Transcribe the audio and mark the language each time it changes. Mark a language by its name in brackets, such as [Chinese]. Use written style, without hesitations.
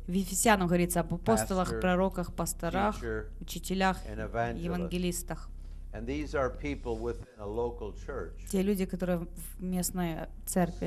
[Russian] в Ефесянах говорится об апостолах, пророках, пасторах, учителях, евангелистах. [English] And these are people within a local church. [Russian] Те люди, которые в местной церкви.